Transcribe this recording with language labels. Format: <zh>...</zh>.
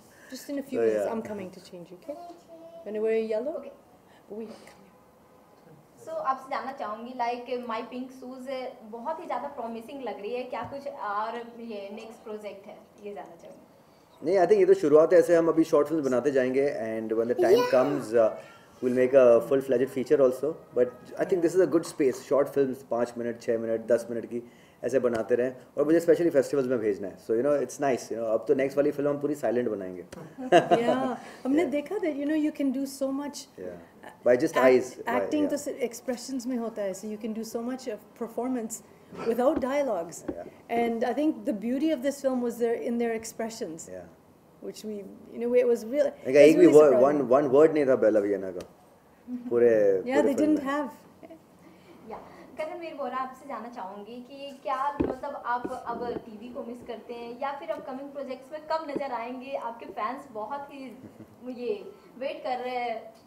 <en>Just in a few minutes, I'm coming to change you. Okay? When I wear yellow? Okay. We.</en> <hi>तो आपसे जानना चाहूंगी like my pink shoes बहुत ही ज्यादा promising लग रही है क्या कुछ और ये नेक्स्ट प्रोजेक्ट है ये जानना चाहूंगी नहीं आई थिंक ये तो शुरुआत है ऐसे हम अभी शॉर्ट फिल्म्स बनाते जाएंगे</hi> <en>and when the time comes we will make a full fledged feature also but I think this is a good space</en> <hi>short films 5 minute 6 minute 10 minute की ऐसे बनाते रहें और मुझे स्पेशली फेस्टिवल्स में भेजना है</hi> <en>so you know it's nice you know</en> <hi>अब तो नेक्स्ट वाली फिल्म हम पूरी साइलेंट बनाएंगे या हमने देखा</hi> <en>That you know you can do so much By just eyes.</en> <hi>Acting तो सिर्फ expressions में होता है,</hi> <en>so you can do so much of performance without dialogues. Yeah. And I think the beauty of this film was in their expressions. Yeah. Which we, you know, it was really.</en> <hi>Like एक भी word,</hi> <en>one word</en> <hi>नहीं था Bella Vienna का, पूरे.</hi> <en>Yeah, they didn't have. Yeah.</en> <hi>Karenvir Bohra आपसे जानना चाहूँगी कि क्या मतलब आप अब TV को miss करते हैं या फिर upcoming projects में कब नजर आएंगे आपके fans बहुत ही ये wait कर रहे हैं.</hi>